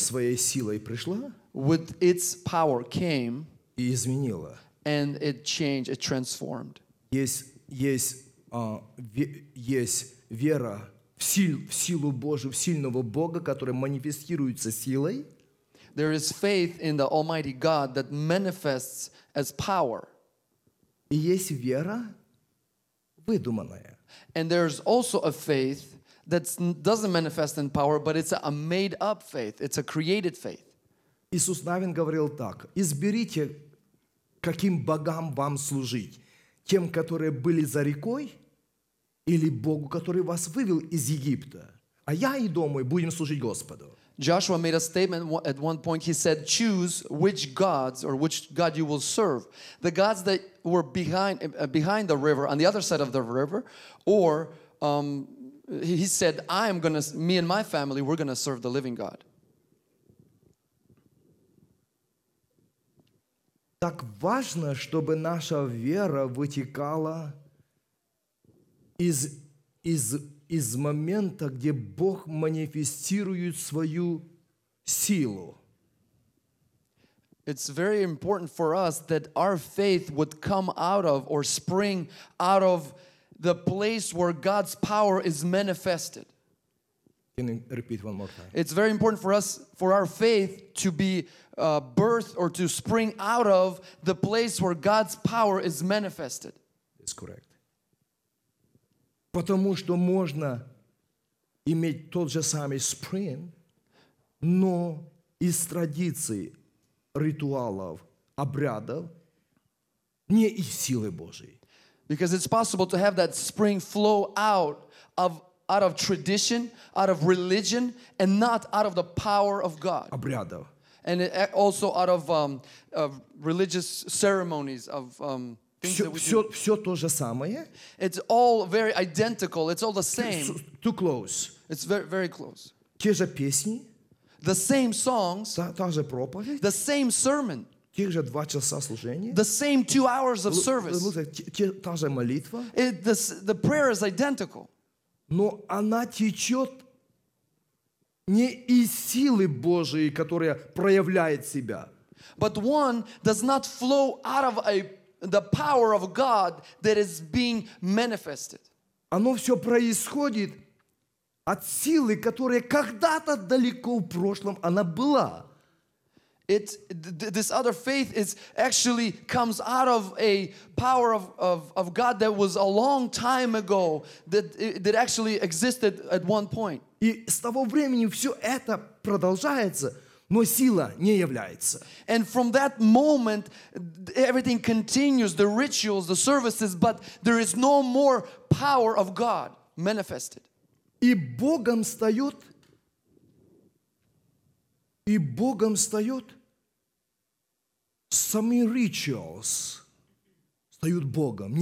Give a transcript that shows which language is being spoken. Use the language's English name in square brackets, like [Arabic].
[Russian] своей силой пришла, [English] with its power came, [Russian] и изменила, [English] and it changed, it transformed. [Russian] Есть вера в силу Божию, в сильного Бога, который манифестируется силой. [English] There is faith in the Almighty God that manifests as power. [Russian] И есть вера выдуманная. [English] And there's also a faith that doesn't manifest in power, but it's a made-up faith. It's a created faith. [Russian] Иисус Навин говорил так: «Изберите, каким богам вам служить». Тем, которые были за рекой, или Богу, который вас вывел из Египта. А я и дом мой будем служить Господу. [English] Joshua made a statement at one point. He said, choose which gods or which God you will serve. The gods that were behind the river, on the other side of the river, or he said, me and my family, we're going to serve the living God. [Russian] Так важно, чтобы наша вера вытекала из момента, где Бог манифестирует свою силу. [English] It's very important for us that our faith would come out of or spring out of the place where God's power is manifested. Can you repeat one more time? It's very important for us, for our faith, to be birthed or to spring out of the place where God's power is manifested. That's correct. [Russian] Потому что можно иметь тот же самый spring, но из традиций, ритуалов, обрядов, не из силы Божьей. [English] Because it's possible to have that spring flow out of tradition, out of religion, and not out of the power of God. [Russian] Обрядов. [English] And also out of religious ceremonies, of things [Russian] все, [English] that we [Russian] все, [English] do. [Russian] Все то же самое. [English] It's all very identical. It's all the same. Too close. It's very, very close. [Russian] Те же песни. [English] The same songs. [Russian] Та же проповедь. [English] The same sermon. [Russian] Те же два часа служения. [English] The same 2 hours of service. [Russian] Та же молитва. [English] The prayer is identical. [Russian] Но она течет не из силы Божией, которая проявляет себя. [English] But one does not flow out of the power of God that is being manifested. [Russian] Оно все происходит от силы, которая когда-то далеко в прошлом она была. [English] This other faith is actually comes out of a power of God that was a long time ago that actually existed at one point. [Russian] И с того времени все это продолжается, но сила не является. [English] And from that moment, everything continues, the rituals, the services, but there is no more power of God manifested. [Russian] И Богом встает сами rituals встают Богом.